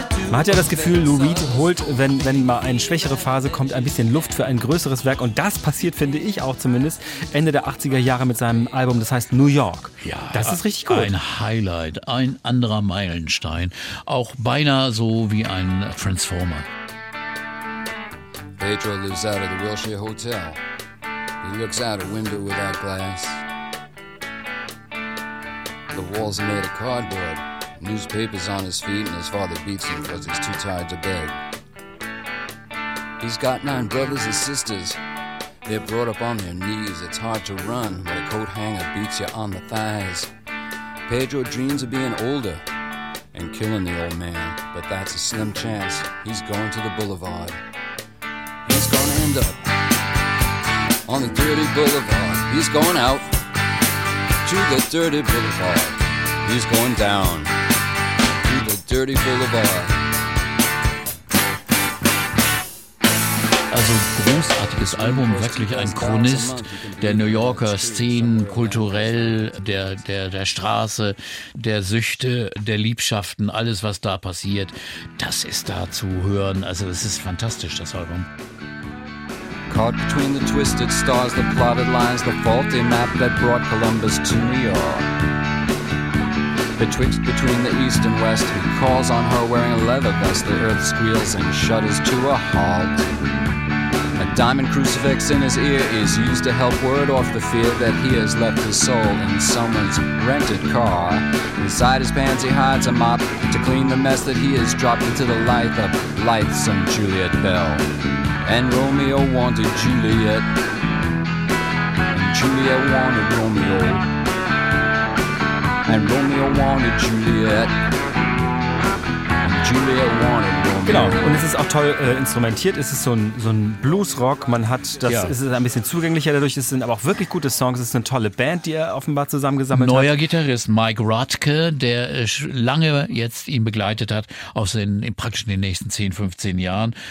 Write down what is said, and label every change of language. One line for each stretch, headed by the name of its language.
German: Man hat ja das Gefühl, Lou Reed holt, wenn mal eine schwächere Phase kommt, ein bisschen Luft für ein größeres Werk. Und das passiert, finde ich auch zumindest, Ende der 80er Jahre mit seinem Album, das heißt New York. Ja, das ist richtig gut. Ein Highlight, ein anderer Meilenstein. Auch beinahe so wie ein Transformer.
English: Pedro lives out of the Wilshire Hotel. He looks out a window without glass. The walls are made of cardboard. Newspapers on his feet and his father beats him because he's too tired to beg. He's got 9 brothers and sisters. They're brought up on their knees. It's hard to run when a coat hanger beats you on the thighs. Pedro dreams of being older and killing the old man, but that's a slim chance. He's going to the boulevard. He's going stand up on the dirty boulevard. He's going out to the dirty boulevard. He's going down to the dirty boulevard.
German: Also großartiges Album, wirklich ein Chronist der New Yorker Szene, kulturell, der Straße, der Süchte, der Liebschaften, alles was da passiert, das ist da zu hören. Also es ist fantastisch, das Album. Caught between the twisted stars, the plotted lines, the faulty map that brought Columbus to New York. Betwixt between the east and west, he calls on her wearing a leather vest, the earth squeals and shudders to a halt. Diamond crucifix in his ear is used to help ward off the fear that he has left his soul in someone's rented car. Inside his pants he hides a mop to clean the mess that he has dropped into the life of lithesome Juliet Bell. And Romeo wanted Juliet, and Juliet wanted Romeo, and Romeo wanted Juliet, and Juliet wanted Romeo. Genau, und es ist auch toll instrumentiert. Es ist so ein Bluesrock. Man hat das, ja. Es ist ein bisschen zugänglicher dadurch. Es sind aber auch wirklich gute Songs. Es ist eine tolle Band, die er offenbar zusammengesammelt Neuer hat. Neuer Gitarrist Mike Rutke, der lange jetzt ihn begleitet hat, praktisch in den nächsten 10, 15 Jahren.